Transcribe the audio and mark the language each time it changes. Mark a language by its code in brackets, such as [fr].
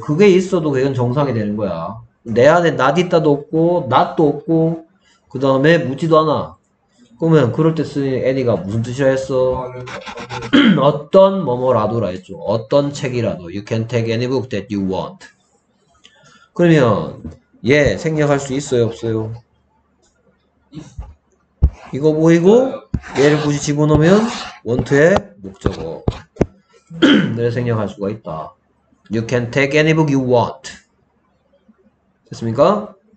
[ko] 그게 있어도 그건 정상이 되는 거야. 내 안에 not 있다도 없고 not도 없고 그 다음에 묻지도 않아. 그러면 그럴 때 쓰는 애니가 무슨 뜻이라 했어? 어떤 뭐뭐라도라 했죠. 어떤 책이라도. [en] You can take any book that you want. [ko] 그러면 예 생략할 수 있어요 없어요? 이거 보이고 얘를 굳이 집어넣으면 원트의 목적어 늘 생략할 수가 있다. [en] You can take any book you want. [ko] 됐습니까?